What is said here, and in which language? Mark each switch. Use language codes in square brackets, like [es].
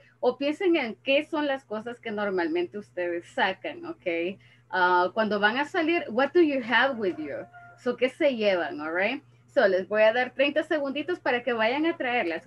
[es] O piensen en qué son las cosas que normalmente ustedes sacan, okay? Cuando van a salir, [en] what do you have with you? [es] So, ¿qué se llevan, all right? So, les voy a dar 30 segunditos para que vayan a traerlas.